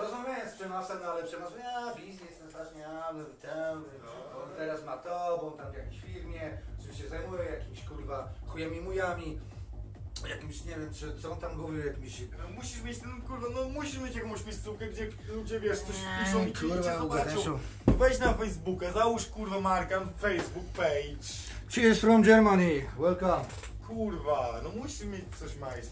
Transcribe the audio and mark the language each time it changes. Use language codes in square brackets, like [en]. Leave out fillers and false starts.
[pl] rozmawiałem z Przemasem, ale Przemas mówi, biznes na strasznie, on teraz ma to, bo on tam w jakiejś firmie, czym się zajmuje, jakimś kurwa chujami mujami, jakimś, nie wiem, czy, co on tam mówił, jakimś... No, musisz mieć ten, kurwa, no musisz mieć jakąś miejscówkę, gdzie ludzie, wiesz, coś piszą i cię zobaczą. Weź na Facebooka, załóż, kurwa, markę, Facebook page. [en] Cheers from Germany, welcome. [pl] Kurwa, no musisz mieć coś majs.